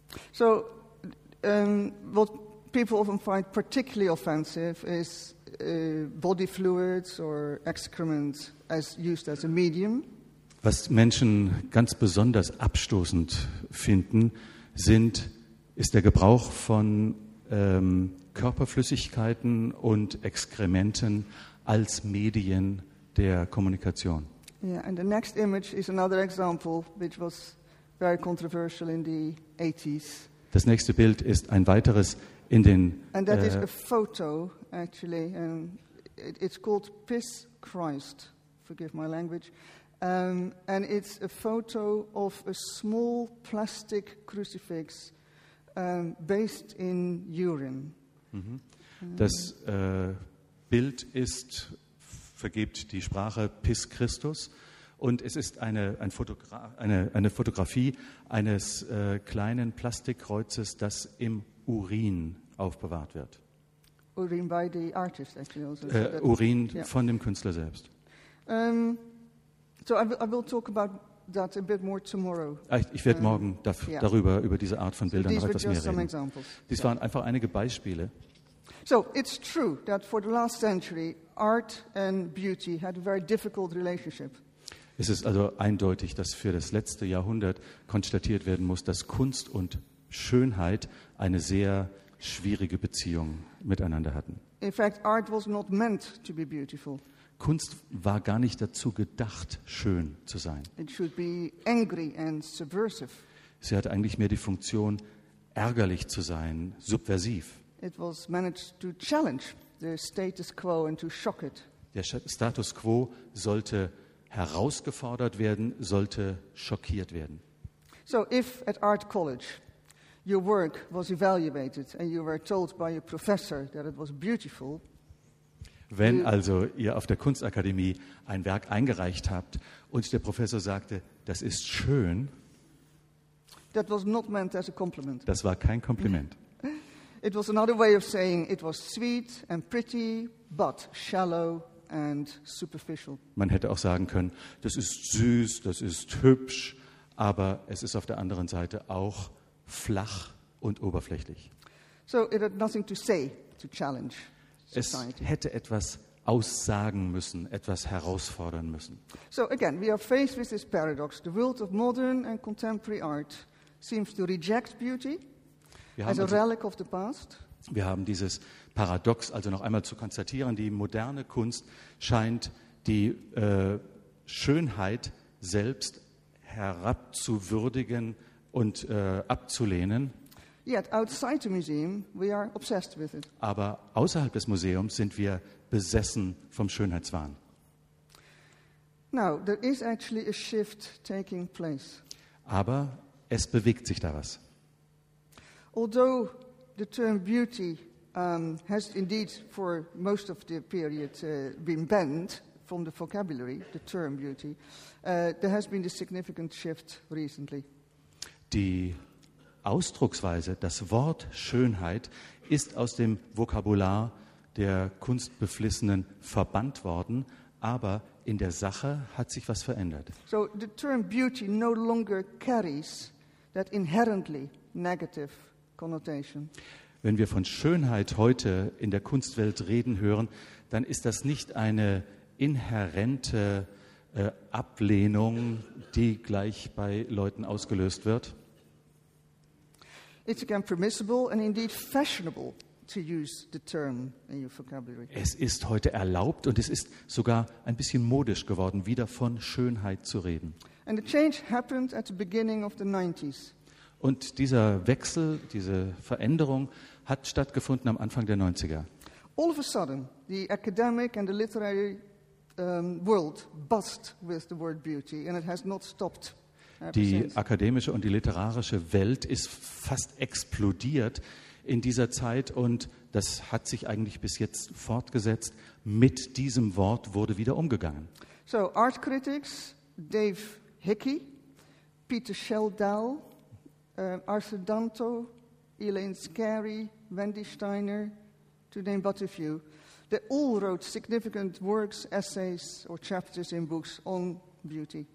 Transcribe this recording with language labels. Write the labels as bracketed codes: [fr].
[en] So, what people often find particularly offensive is body fluids or excrement as used as a medium. [de] Was Menschen ganz besonders abstoßend finden, ist der Gebrauch von Körperflüssigkeiten und Exkrementen als Medien der Kommunikation. [en] Yeah, and the next image is another example which was very controversial in the 80s. [de] Das nächste Bild ist ein weiteres in den... [en] And that is a photo, actually. It's called Piss Christ, forgive my language. And it's a photo of a small plastic crucifix based in urine. Mhm. [de] Das Bild ist, vergebt die Sprache, Piss Christus. Und es ist eine Fotografie eines kleinen Plastikkreuzes, das im Urin aufbewahrt wird. [en] Urin by the artist, actually. Also, [de] Urin von dem Künstler selbst. [en] So I will talk about that a bit more tomorrow. [de] Ich werde morgen darüber, über diese Art von Bildern, noch etwas mehr reden. Dies waren einfach einige Beispiele. [en] So, it's true that for the last century, art and beauty had a very difficult relationship. [de] Es ist also eindeutig, dass für das letzte Jahrhundert konstatiert werden muss, dass Kunst und Schönheit eine sehr schwierige Beziehung miteinander hatten. [en] In fact, art was not meant to be beautiful. [de] Kunst war gar nicht dazu gedacht, schön zu sein. [en] It should be angry and subversive. [de] Sie hatte eigentlich mehr die Funktion, ärgerlich zu sein, subversiv. [en] It was managed to challenge the status quo and to shock it. [de] Der Status quo sollte herausgefordert werden, sollte schockiert werden. [en] So if at art college your work was evaluated and you were told by your professor that it was beautiful. [de] Wenn also ihr auf der Kunstakademie ein Werk eingereicht habt und der Professor sagte, das ist schön. [en] That was not meant as a compliment. [de] Das war kein Kompliment. [en] It was another way of saying it was sweet and pretty, but shallow and superficial. [de] Man hätte auch sagen können, das ist süß, das ist hübsch, aber es ist auf der anderen Seite auch flach und oberflächlich. [en] So it had nothing to say to challenge society. [de] Es hätte etwas aussagen müssen, etwas herausfordern müssen. [en] So again, we are faced with this paradox. The world of modern and contemporary art seems to reject beauty. [de] Wir haben dieses Paradox, also noch einmal zu konstatieren, die moderne Kunst scheint die Schönheit selbst herabzuwürdigen und abzulehnen. [en] Yet outside the museum, we are obsessed with it. [de] Aber außerhalb des Museums sind wir besessen vom Schönheitswahn. [en] Now, there is actually a shift taking place. [de] Aber es bewegt sich da was. [en] Although the term beauty has indeed for most of the period been banned from the vocabulary, the term beauty, there has been a significant shift recently. [de] Die Ausdrucksweise, das Wort Schönheit, ist aus dem Vokabular der Kunstbeflissenen verbannt worden, aber in der Sache hat sich was verändert. [en] So the term beauty no longer carries that inherently negative connotation. [de] Wenn wir von Schönheit heute in der Kunstwelt reden hören, dann ist das nicht eine inhärente Ablehnung, die gleich bei Leuten ausgelöst wird. [en] It's again permissible and indeed fashionable to use the term in your vocabulary. [de] Es ist heute erlaubt und es ist sogar ein bisschen modisch geworden, wieder von Schönheit zu reden. [en] And the change happened at the beginning of the 90s. [de] Und dieser Wechsel, diese Veränderung hat stattgefunden am Anfang der 90er. [en] All of a sudden, the academic and the literary world buzzed with the word beauty and it has not stopped. [de] Die akademische und die literarische Welt ist fast explodiert in dieser Zeit und das hat sich eigentlich bis jetzt fortgesetzt. Mit diesem Wort wurde wieder umgegangen. [en] So, art critics, Dave Hickey, Peter Sheldahl, Arthur Danto, Elaine Scarry, Wendy Steiner, to name but a few, they all wrote significant works, essays or chapters in books on beauty.